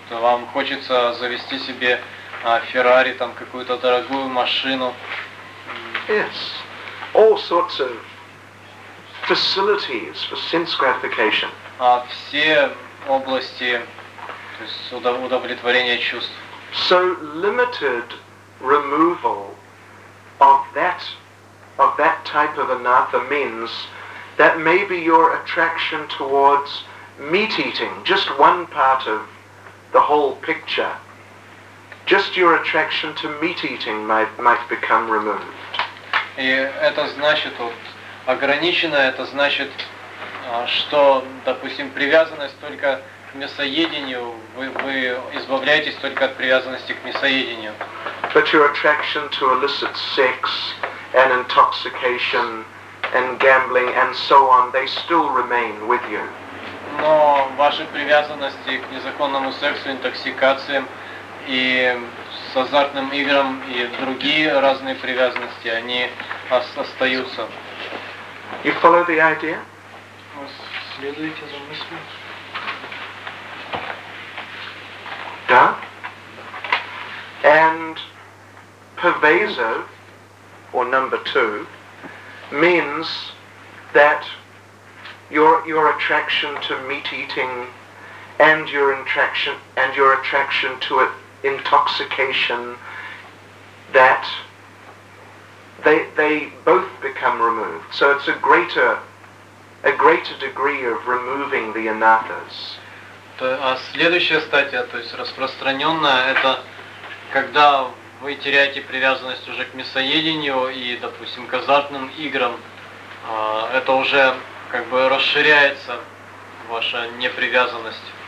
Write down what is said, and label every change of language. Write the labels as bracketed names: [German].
[Russian] Вам хочется завести себе Феррари, там какую-то дорогую машину. [English] Yes, all sorts of facilities for sense gratification. [Russian] Все области, то есть удовлетворения чувств. [English] So limited removal of that type of anatta means that maybe your attraction towards meat eating, just one part of the whole picture, just your attraction to meat eating might become removed. [Russian] И это значит ограниченное, это значит, что, допустим, привязанность только к мясоедению, вы избавляетесь только от привязанности к мясоедению. [English] But your attraction to illicit sex and intoxication and gambling and so on, they still remain with you. [Russian] Но ваши привязанности к незаконному сексу, интоксикациям и с азартным играм и другие разные привязанности, они остаются. [English] You follow the idea? [Russian] Следуете за мыслью? Да. [English] And pervasive, or number two, means that your attraction to meat eating and your attraction to intoxication, that they both become removed. So it's a greater degree of removing the anathas. [Russian] А следующая статья, то есть распространенная, это когда вы теряете привязанность уже к мясоедению и, допустим, к азартным играм, это уже как бы расширяется ваша непривязанность.